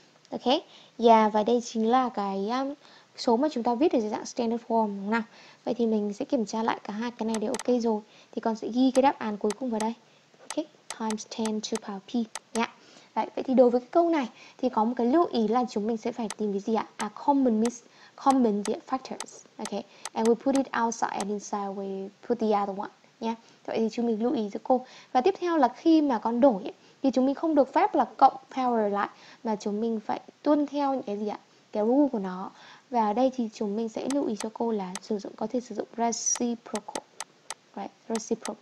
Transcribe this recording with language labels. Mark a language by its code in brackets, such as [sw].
[vi] Ok, yeah, và đây chính là cái số mà chúng ta viết ở dưới dạng standard form, đúng không nào? Vậy thì mình sẽ kiểm tra lại cả hai cái này đều ok rồi thì con sẽ ghi cái đáp án cuối cùng vào đây. Ok, [en] times 10 to power p [vi] nhá. Yeah. Vậy thì đối với cái câu này thì có một cái lưu ý là chúng mình sẽ phải tìm cái gì ạ? [en] À, common factors. Ok, and we put it outside and inside we put the other one. Yeah. [vi] Vậy thì chúng mình lưu ý cho cô. Và tiếp theo là khi mà con đổi ấy, thì chúng mình không được phép là cộng power lại, mà chúng mình phải tuân theo những cái gì ạ? Cái rule của nó. Và ở đây thì chúng mình sẽ lưu ý cho cô là sử dụng, có thể sử dụng reciprocal, right?